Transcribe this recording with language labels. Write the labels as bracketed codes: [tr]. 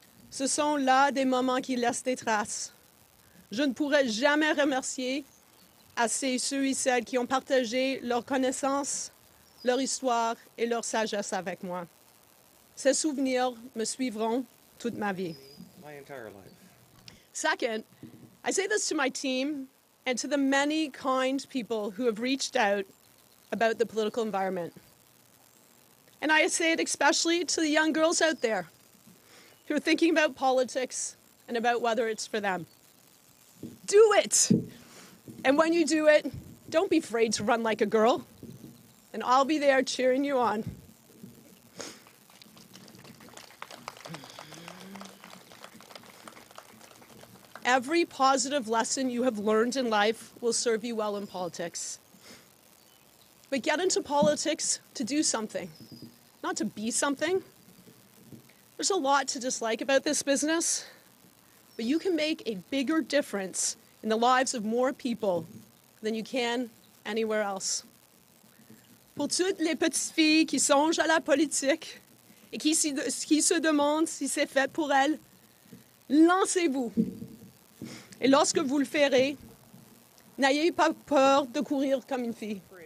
[fr] Ce sont là des moments qui laissent des traces. Je ne pourrai jamais remercier assez ceux et celles qui ont partagé leurs connaissances, leur histoire et leur sagesse avec moi. Ces souvenirs me suivront toute ma vie. [en] My entire life. Second, I say this to my team and to the many kind people who have reached out about the political environment. And I say it especially to the young girls out there who are thinking about politics and about whether it's for them. Do it! And when you do it, don't be afraid to run like a girl. And I'll be there cheering you on. Every positive lesson you have learned in life will serve you well in politics. But get into politics to do something, not to be something. There's a lot to dislike about this business, but you can make a bigger difference in the lives of more people than you can anywhere else. [fr] Pour toutes les petites filles qui songent à la politique et qui se demandent si c'est fait pour elles, lancez-vous. Et lorsque vous le ferez, n'ayez pas peur de courir comme une fille.